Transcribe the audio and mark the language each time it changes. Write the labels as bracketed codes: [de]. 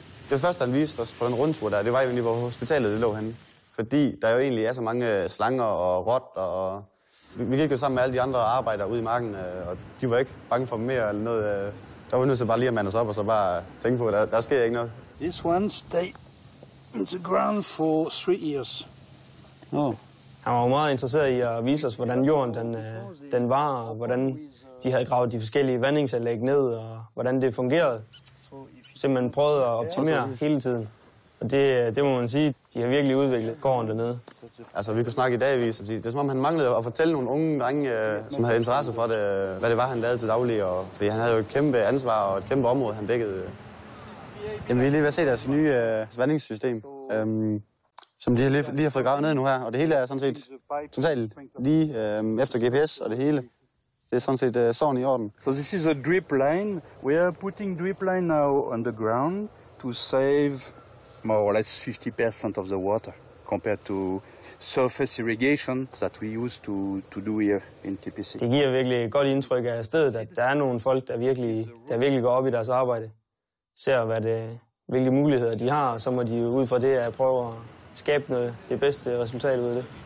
[da] Det første, han viste os på den rundtur der, det var egentlig, hvor hospitalet det lå henne. Fordi der jo egentlig er så mange slanger og rot, og vi gik jo sammen med alle de andre arbejdere ude i marken, og de var ikke bange for mere eller noget. Der var nødt til bare lige at mande os op, og så bare tænke på, der sker ikke noget. [en] This one stayed in the ground for 3 years. Oh. [da] Han var meget interesseret i at vise os, hvordan jorden den var, og hvordan de havde gravet de forskellige vandingsanlæg ned, og hvordan det fungerede. Simpelthen prøvede at optimere hele tiden. Og det må man sige, de har virkelig udviklet gården dernede. Altså, vi kunne snakke i dagvis. Det er som om, han manglede at fortælle nogle unge drenge, som havde interesse for det, hvad det var, han lavede til daglig. Og, fordi han havde jo et kæmpe ansvar og et kæmpe område, han dækkede. Jamen, vi er lige ved at se deres nye vandingssystem, som de lige har fået gravet ned nu her. Og det hele er sådan set totalt lige efter GPS og det hele. Det er sådan set sådan i orden. [en] So this is a drip line. We are putting drip line now on the ground to save more or less 50% of the water compared to surface irrigation that we use to do here in TPC. [da] Det giver virkelig et godt indtryk af stedet, at der er nogle folk, der virkelig går op i deres arbejde, ser hvilke muligheder de har, og så må de ud fra det prøve at skabe noget det bedste resultat ud af det.